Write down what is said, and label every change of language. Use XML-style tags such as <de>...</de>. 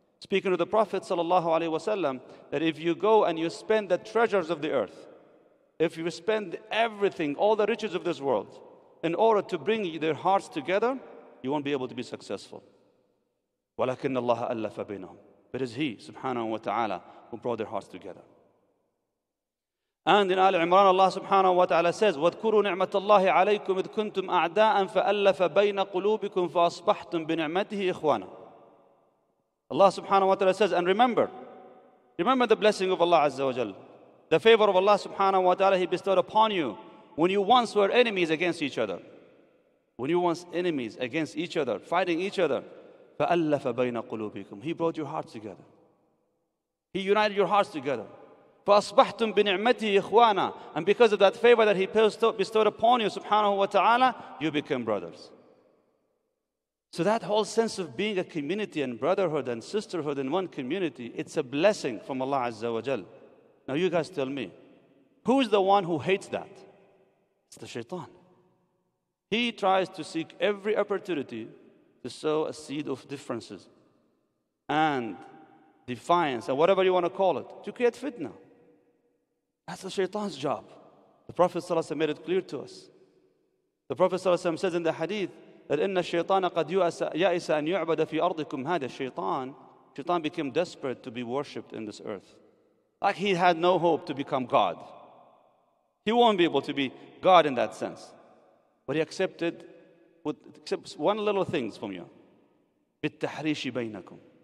<en>Speaking of the Prophet sallallahu alayhi wa sallam, that if you go and you spend the treasures of the earth, if you spend everything, all the riches of this world, in order to bring their hearts together, you won't be able to be successful.</en> <ar>وَلَكِنَّ اللَّهَ أَلَّفَ بَيْنَهُمْ.</ar> <en>But it's He subhanahu wa ta'ala who brought their hearts together. And in Al Imran, Allah subhanahu wa ta'ala says,</en> <ar>وَذْكُرُوا نِعْمَةَ اللَّهِ عَلَيْكُمْ إِذْ كُنْتُمْ أَعْدَاءً فَأَلَّفَ بَيْنَ قُلُوبِكُمْ فَأَصْبَحْتُمْ بِنِعْمَتِهِ إِخْوَانًا.</ar> <en>Allah subhanahu wa ta'ala says, and remember the blessing of Allah Azza wa Jal, the favor of Allah subhanahu wa ta'ala He bestowed upon you when you once were enemies against each other. When you once enemies against each other, fighting each other,</en> <ar>فَأَلَّفَ بَيْنَ قُلُوبِكُمْ.</ar> <en>He brought your hearts together. He united your hearts together.</en> <ar>فَأَصْبَحْتُمْ بِنِعْمَتِهِ إِخْوَانًا.</ar> <en>And because of that favor that He bestowed upon you, subhanahu wa ta'ala, you became brothers. So that whole sense of being a community and brotherhood and sisterhood in one community, it's a blessing from Allah Azza wa Jal. Now you guys tell me, who's the one who hates that? It's the shaitan. He tries to seek every opportunity to sow a seed of differences and defiance and whatever you want to call it, to create fitna. That's the shaitan's job. The Prophet ﷺ made it clear to us. The Prophet ﷺ says in the hadith that</en> <ar>إِنَّ الشَّيْطَانَ قَدْ يَأْسَ أَنْ يُعْبَدَ فِي أَرْضِكُمْ. هَذَا الشَّيْطَانَ.</ar> <en>Shaitan became desperate to be worshipped in this earth. Like he had no hope to become God. He won't be able to be God in that sense. But he accepts one little thing from you.</en> <ar>بِالتَّحْرِيشِ بَيْنَكُمْ.</ar>